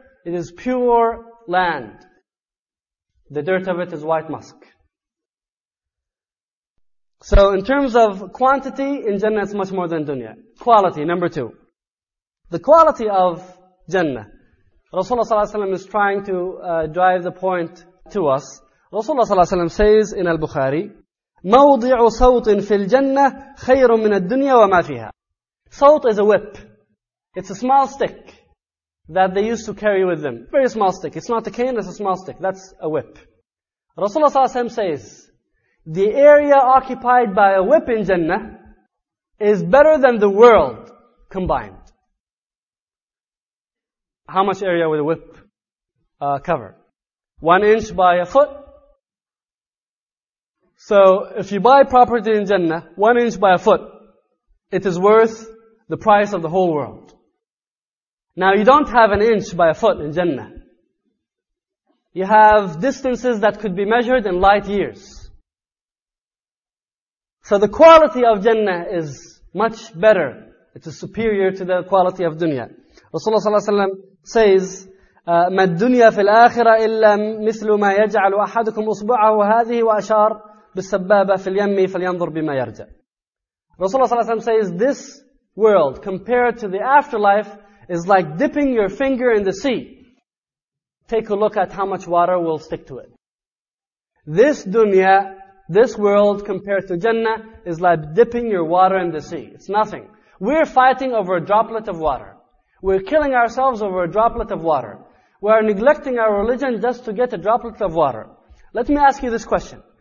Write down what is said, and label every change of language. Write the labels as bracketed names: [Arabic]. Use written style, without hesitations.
[English] It is pure land. The dirt of it is white musk. So in terms of quantity, in Jannah it's much more than dunya. Quality, number two. The quality of Jannah. Rasulullah ﷺ is trying to drive the point to us. Rasulullah ﷺ says in Al-Bukhari, [Arabic] مَوْضِعُ صَوْطٍ فِي الْجَنَّةِ خَيْرٌ مِنَ الدُّنْيَا وَمَا فِيهَا [English] Sawt is a whip. It's a small stick that they used to carry with them. Very small stick. It's not a cane, it's a small stick. That's a whip. Rasulullah ﷺ says, the area occupied by a whip in Jannah is better than the world combined. How much area would a whip cover? 1 inch by a foot. So if you buy property in Jannah, 1 inch by a foot, it is worth the price of the whole world. Now you don't have an inch by a foot in Jannah. You have distances that could be measured in light years. So the quality of Jannah is much better. It is superior to the quality of dunya. Rasulullah ﷺ says, مَا الدُّنْيَا فِي الْآخِرَةِ إِلَّا مِثْلُ مَا يَجْعَلُ أَحَدُكُمْ أُصْبُعَهُ هَذِهِ وَأَشَارَ بِالسَّبَّابَةِ فِي الْيَمِّ فَلْيَنْظُرْ بِمَا يَرْجَى Rasulullah ﷺ says, this world compared to the afterlife is like dipping your finger in the sea. Take a look at how much water will stick to it. This dunya, this world compared to Jannah is like dipping your water in the sea. It's nothing. We're fighting over a droplet of water. We're killing ourselves over a droplet of water. We're neglecting our religion just to get a droplet of water. Let me ask you this question.